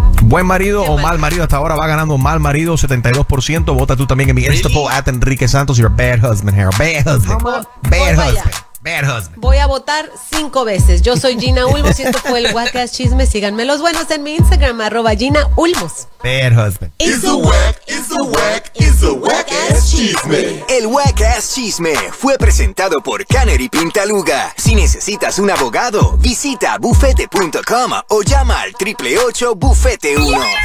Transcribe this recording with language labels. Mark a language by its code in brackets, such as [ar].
[es] Buen marido qué o mal marido. Hasta ahora va ganando mal marido, 72%. Vota tú también en mi Insta poll, at Enrique Santos, [en] your bad husband here. Bad husband. Bad husband. [es] Voy a votar 5 veces. Yo soy Gina Ulmos. Si esto fue el Wackass Chisme, síganme los buenos en mi Instagram, @GinaUlmos. [en] Bad husband. It's a wack, it's a wack, it's a Wackass Chisme. [es] El Wackass Chisme fue presentado por Canary Pintaluga. Si necesitas un abogado, visita bufete.com o llama al 888-BUFETE-1.